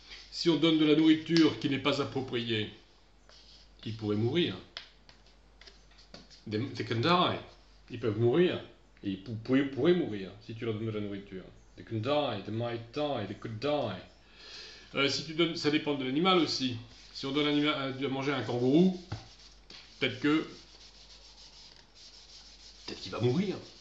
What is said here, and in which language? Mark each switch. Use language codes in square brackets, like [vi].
[fr] Si on donne de la nourriture qui n'est pas appropriée, il pourrait mourir. [en] They can die. [fr] Ils peuvent mourir, ils pourraient mourir si tu leur donnes de la nourriture. [en] They can die, they might die, they could die. [fr] Si tu donnes, ça dépend de l'animal aussi. Si on donne à manger un kangourou, peut-être qu'il va mourir.